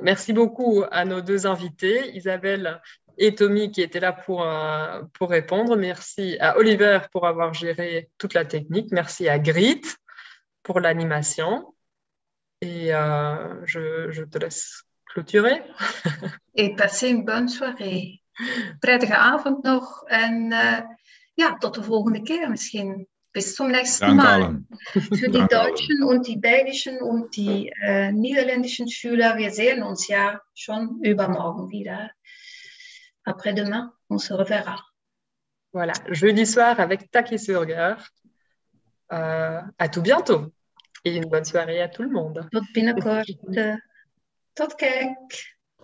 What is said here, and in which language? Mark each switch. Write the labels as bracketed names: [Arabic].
[French] Merci beaucoup à nos deux invités, Isabelle et Tommy, qui étaient là pour répondre. Merci à Oliver pour avoir géré toute la technique. Merci à Grit pour l'animation. Et je te laisse clôturer. Et passez une bonne soirée. [Dutch] Prettige avond nog en tot de volgende keer misschien. [German] Bis zum nächsten Dank Mal. Allen. Für die deutschen und die belgischen und die niederländischen Schüler, wir sehen uns ja schon übermorgen wieder. [French] Après demain, on se reverra. Voilà, jeudi soir avec Taki Surger. À tout bientôt et une bonne soirée à tout le monde. [Dutch] Tot binnenkort. Tot kijk.